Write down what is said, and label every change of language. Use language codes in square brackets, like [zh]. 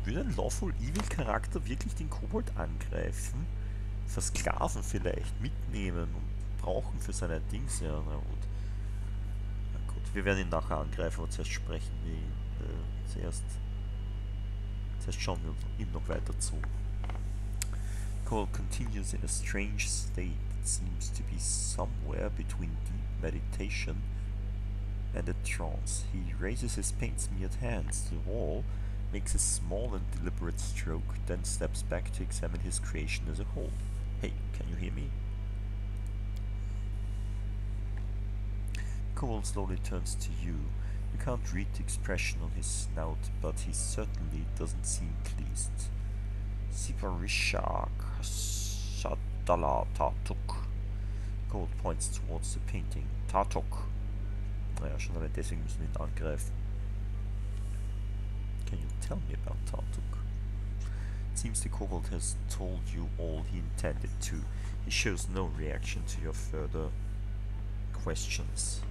[de] Würde ein Lawful Evil Charakter wirklich den Kobold angreifen? Versklaven vielleicht? Mitnehmen und brauchen für seine Dings? Ja, na gut. Na gut, wir werden ihn nachher angreifen, aber zuerst sprechen wir ihn. Zuerst schauen wir ihm noch weiter zu. [en] Kobold continues in a strange state that seems to be somewhere between deep meditation and a trance. He raises his paint-smeared hands to the wall, makes a small and deliberate stroke, then steps back to examine his creation as a whole. Hey, can you hear me? Kobold slowly turns to you. You can't read the expression on his snout, but he certainly doesn't seem pleased. Sivarishak Sadala Tatuk. Kobold points towards the painting. Tatuk. [de] Naja, schon allein deswegen müssen wir ihn angreifen. [en] Can you tell me about Tatuk? It seems the kobold has told you all he intended to. He shows no reaction to your further questions.